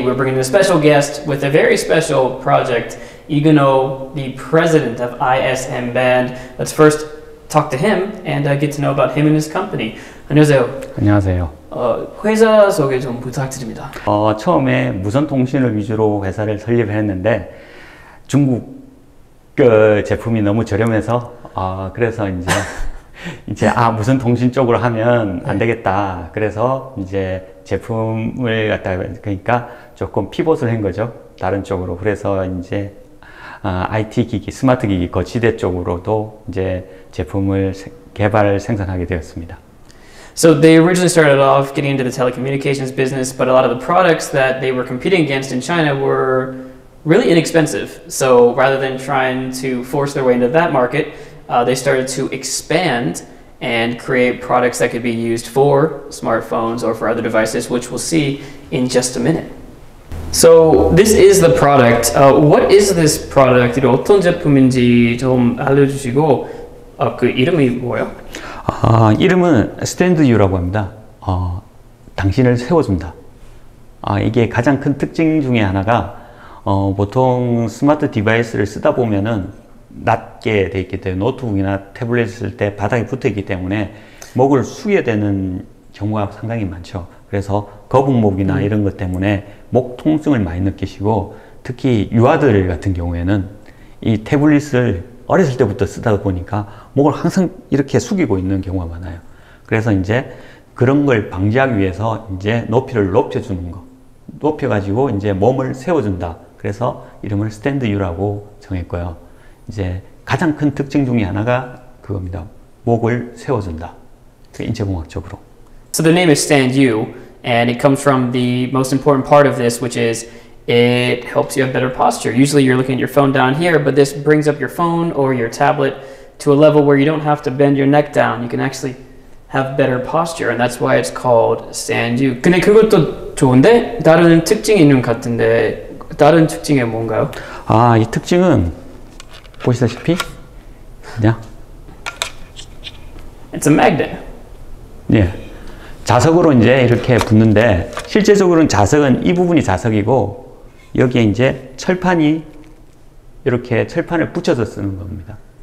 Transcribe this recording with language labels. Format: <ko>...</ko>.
<en>We're bringing a special guest with a very special project, Igano, the president of ISM Band. Let's first talk to him and get to know about him and his company.</en> <ko>안녕하세요. 안녕하세요. 회사 소개 좀 부탁드립니다. 처음에 무선통신을 위주로 회사를 설립을 했는데 중국 제품이 너무 저렴해서 그래서 이제 이제 무선통신 쪽으로 하면 안 되겠다. 그래서 이제 제품을 갖다가 그러니까 조금 피봇을 한 거죠. 다른 쪽으로. 그래서 이제 IT 기기, 스마트 기기, 거치대 쪽으로도 이제 제품을 개발 생산하게 되었습니다.</ko> <en>So they originally started off getting into the telecommunications business, but a lot of the products that they were competing against in China were really inexpensive. So rather than trying to force their way into that market, they started to expand and create products that could be used for smartphones or for other devices, which we'll see in just a minute. So this is the product. What is this product?</en> <ko>어떤 제품인지 좀 알려주시고 그 이름이 뭐예요? 이름은 스탠드유라고 합니다. 당신을 세워줍니다. 이게 가장 큰 특징 중에 하나가 보통 스마트 디바이스를 쓰다 보면은 낮게 돼 있기 때문에 노트북이나 태블릿 쓸 때 바닥에 붙어 있기 때문에 목을 숙여야 되는 경우가 상당히 많죠. 그래서 거북목이나 이런 것 때문에 목 통증을 많이 느끼시고 특히 유아들 같은 경우에는 이 태블릿을 어렸을 때부터 쓰다 보니까 목을 항상 이렇게 숙이고 있는 경우가 많아요. 그래서 이제 그런 걸 방지하기 위해서 이제 높이를 높여주는 거. 높여가지고 이제 몸을 세워준다. 그래서 이름을 스탠드유라고 정했고요. 이제 가장 큰 특징 중에 하나가 그겁니다. 목을 세워준다. 인체공학적으로.</ko> <en>So the name is StandU, and it comes from the most important part of this, which is it helps you have better posture. Usually you're looking at your phone down here, but this brings up your phone or your tablet to a level where you don't have to bend your neck down. You can actually have better posture, and that's why it's called StandU.</en> <ko>근데 그것도 좋은데 다른 특징이 있는 것 같은데 다른 특징이 뭔가요? 이 특징은 보시다시피 그냥</ko> <en>It's a magnet.</en> <ko>네. 자석으로 이제 이렇게 붙는데 실제적으로는 자석은 이 부분이 자석이고 여기에 이제 철판이 이렇게 철판을 붙여서 쓰는 겁니다.</ko>